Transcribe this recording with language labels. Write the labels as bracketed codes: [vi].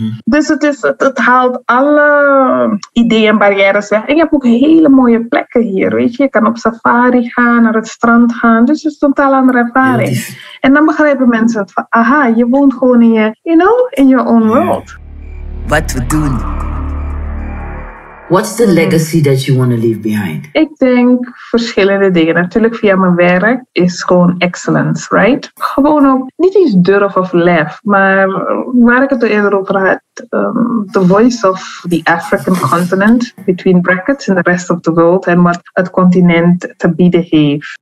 [nl] Dus het haalt alle ideeën en barrières weg. En je hebt ook hele mooie plekken hier, weet je. Je kan op safari gaan, naar het strand gaan. Dus het is een totaal andere ervaring. Yes. En dan begrijpen mensen het van, aha, je woont gewoon in je, [en] you know, in your own world. [nl] Wat we doen. [en] What's the legacy that you want to leave behind? [nl] Ik denk verschillende dingen. Natuurlijk via mijn werk is gewoon excellence, right? Gewoon ook, niet eens durf of lef, maar waar ik het eerder over had, [en] the voice of the African continent, between brackets, and the rest of the world, [nl] en wat het continent te bieden heeft.